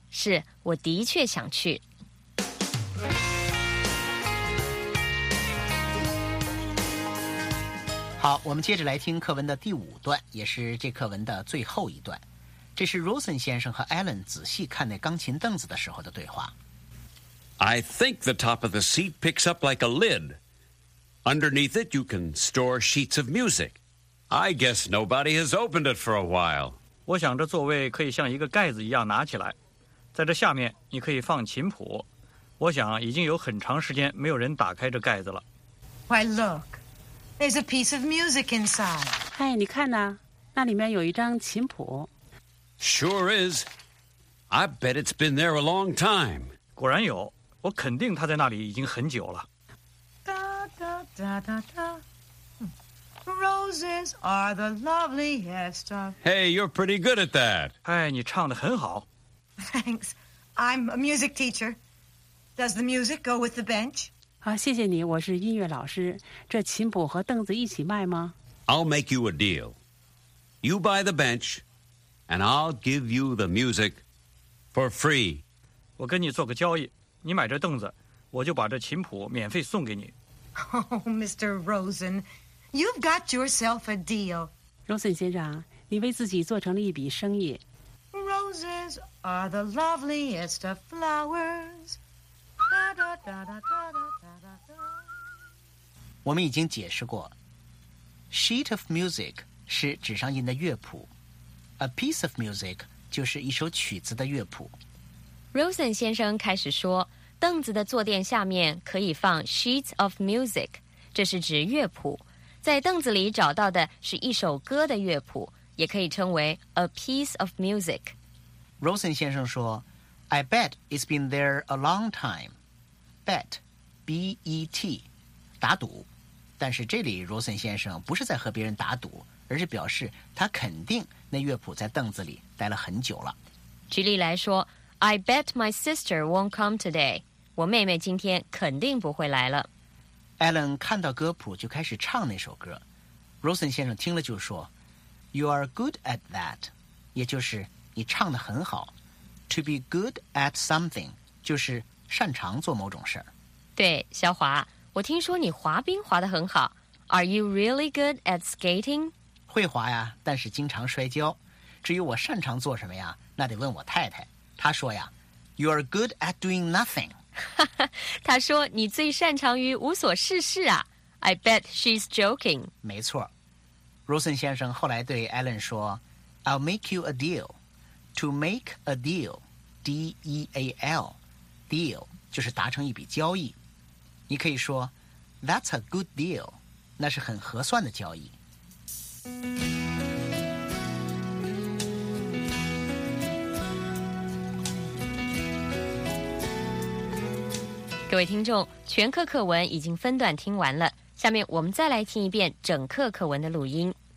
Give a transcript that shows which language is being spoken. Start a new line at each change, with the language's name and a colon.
Chinese: 是，我的确想去。好，我们接着来听课文的第五段，也是这课文的最后一段。这是 Rosen 先生和 Alan 仔细看那钢琴凳子的时候的对话。
English: I think the top of the seat picks up like a lid. Underneath it, you can store sheets of music. I guess nobody has opened it for a while.
Chinese: 我想这座位可以像一个盖子一样拿起来，在这下面你可以放琴谱。我想已经有很长时间没有人打开这盖子了。
English: Why look, there's a piece of music inside.
Chinese: 哎，你看呐，那里面有一张琴谱。
English: Sure is. I bet it's been there a long time.
Chinese: 果然有，我肯定它在那里已经很久了。
English: 哒哒哒哒哒。Roses are the loveliest of... Hey, you're pretty good at that.
Chinese: 哎，你唱得很好。
English: Thanks. I'm a music teacher. Does the music go with the bench?
Chinese: 好，谢谢你，我是音乐老师。这琴谱和凳子一起卖吗？
English: I'll make you a deal. You buy the bench, and I'll give you the music for free.
Chinese: 我跟你做个交易，你买这凳子，我就把这琴谱免费送给你。
English: Oh, Mr. Rosen... You've got yourself a deal.
Chinese: Rosen 先生，你为自己做成了一笔生意。
English: Roses are the loveliest of flowers. Da, da, da, da, da, da, da, da.
Chinese: 我们已经解释过 ,sheet of music 是纸上印的乐谱 ,a piece of music 就是一首曲子的乐谱。 Rosen 先生开始说，凳子的坐垫下面可以放 sheets of music, 这是指乐谱。在凳子里找到的是一首歌的乐谱，也可以称为 a piece of music。
English: Rosen
Chinese: 先生说
English: I bet it's been there a long time. Bet, B-E-T,
Chinese: 打赌。但是这里 Rosen 先生不是在和别人打赌，而是表示他肯定那乐谱在凳子里待了很久了。举例来说，
English: I bet my sister won't come today.
Chinese: 我妹妹今天肯定不会来了。 Alan 看到歌谱就开始唱那首歌， Rosen 先生听了就说
English: You are good at that，
Chinese: 也就是你唱得很好。
English: To be good at something
Chinese: 就是擅长做某种事。对，小华，我听说你滑冰滑得很好。
English: Are you really good at skating？
Chinese: 会滑呀，但是经常摔跤。至于我擅长做什么呀，那得问我太太。她说呀，
English: You are good at doing nothing。
Chinese: 他说你最擅长于无所事事啊。
English: I bet she's joking。
Chinese: 没错， Rosen 先生后来对 Alan 说
English: I'll make you a deal。 To make a deal， D-E-A-L， deal
Chinese: 就是达成一笔交易。你可以说
English: That's a good deal，
Chinese: 那是很合算的交易。各位听众，全课课文已经分段听完了，下面我们再来听一遍整课课文的录音。